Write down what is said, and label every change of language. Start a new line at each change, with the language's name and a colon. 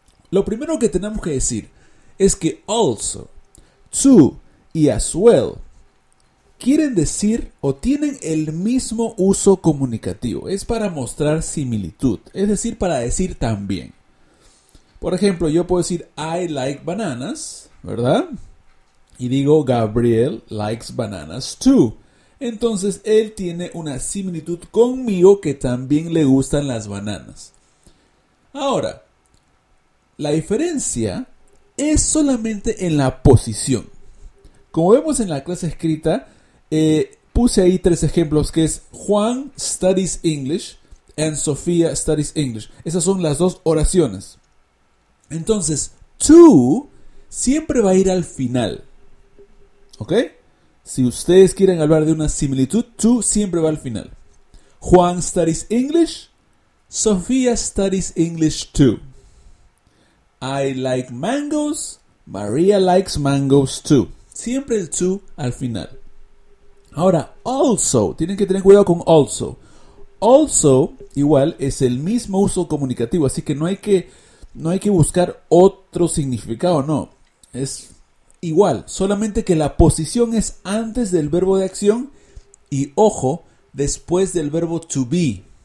Spanish: Lo primero que tenemos que decir es que also, to y as well quieren decir o tienen el mismo uso comunicativo. Es para mostrar similitud, es decir, para decir también. Por ejemplo, yo puedo decir
English: I like bananas,
Spanish: ¿verdad? Y digo
English: Gabriel likes bananas too.
Spanish: Entonces, él tiene una similitud conmigo que también le gustan las bananas. Ahora, la diferencia es solamente en la posición. Como vemos en la clase escrita, puse ahí tres ejemplos que es
English: Juan studies English and Sofía studies English.
Spanish: Esas son las dos oraciones. Entonces, to siempre va a ir al final. ¿Ok? Si ustedes quieren hablar de una similitud, to siempre va al final.
English: Juan studies English. Sofía studies English too. I like mangoes. María likes mangoes too.
Spanish: Siempre el to al final. Ahora, also. Tienen que tener cuidado con also. Also, igual, es el mismo uso comunicativo. Así que no hay que buscar otro significado, no. Es igual, solamente que la posición es antes del verbo de acción y, ojo, después del verbo to be.